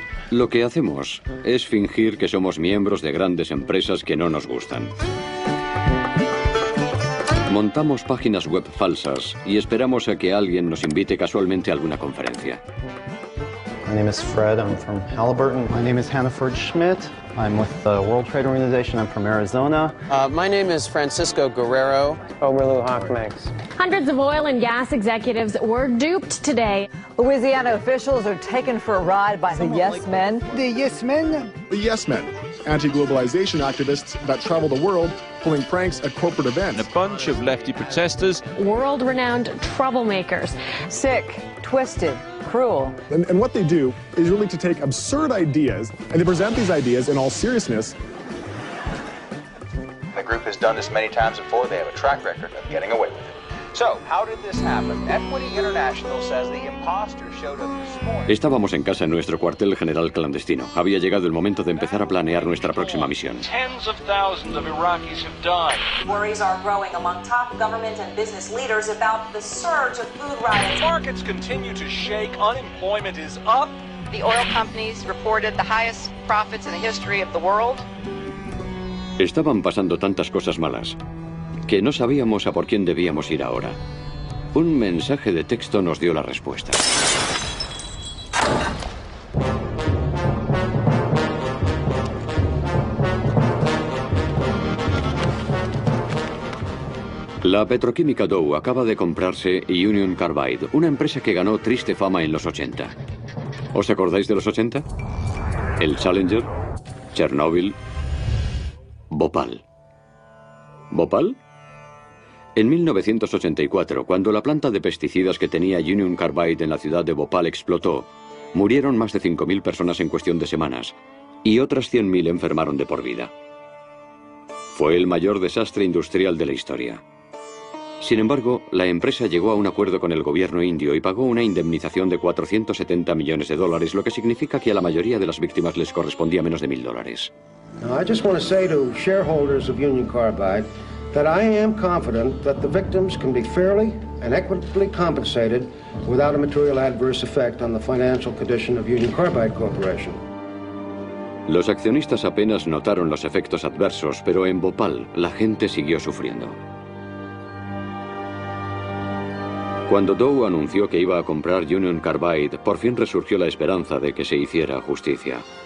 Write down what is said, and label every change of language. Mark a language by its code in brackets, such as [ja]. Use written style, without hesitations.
[es] Lo que hacemos es fingir que somos miembros de grandes empresas que no nos gustan. Montamos páginas web falsas y esperamos a que alguien nos invite casualmente a alguna conferencia. [en] My name is Fred, I'm from Halliburton. My name is Hannaford Schmidt. I'm with the World Trade Organization, I'm from Arizona. My name is Francisco Guerrero. Oberlu Hochmanx. Hundreds of oil and gas executives were duped today. Louisiana officials are taken for a ride by the Yes Men. The Yes Men? The Yes Men, anti-globalization activists that travel the world pulling pranks at corporate events. A bunch of lefty protesters. World-renowned troublemakers. Sick, twisted. Cruel. And what they do is really to take absurd ideas and to present these ideas in all seriousness. The group has done this many times before. They have a track record of getting away with it. So, how did this happen? Equity International says the imposter showed up this morning. [es] Estábamos en casa en nuestro cuartel general clandestino. Había llegado el momento de empezar a planear nuestra próxima misión. [en] Tens of thousands of Iraqis have died. Worries are growing among top government and business leaders about the surge of food riots. Markets continue to shake. Unemployment is up. The oil companies reported the highest profits in the history of the world. [es] Estaban pasando tantas cosas malas que no sabíamos a por quién debíamos ir ahora. Un mensaje de texto nos dio la respuesta. La petroquímica Dow acaba de comprarse Union Carbide, una empresa que ganó triste fama en los 80. ¿Os acordáis de los 80? El Challenger, Chernóbil, Bhopal. ¿Bhopal? En 1984, cuando la planta de pesticidas que tenía Union Carbide en la ciudad de Bhopal explotó, murieron más de 5.000 personas en cuestión de semanas y otras 100.000 enfermaron de por vida. Fue el mayor desastre industrial de la historia. Sin embargo, la empresa llegó a un acuerdo con el gobierno indio y pagó una indemnización de 470 millones de dólares, lo que significa que a la mayoría de las víctimas les correspondía menos de $1,000. [en] Now, I just want to say to shareholders of Union Carbide that I am confident that the victims can be fairly and equitably compensated without a material adverse effect on the financial condition of Union Carbide Corporation. [es] Los accionistas apenas notaron los efectos adversos, pero en Bhopal la gente siguió sufriendo. Cuando Dow anunció que iba a comprar Union Carbide, por fin resurgió la esperanza de que se hiciera justicia.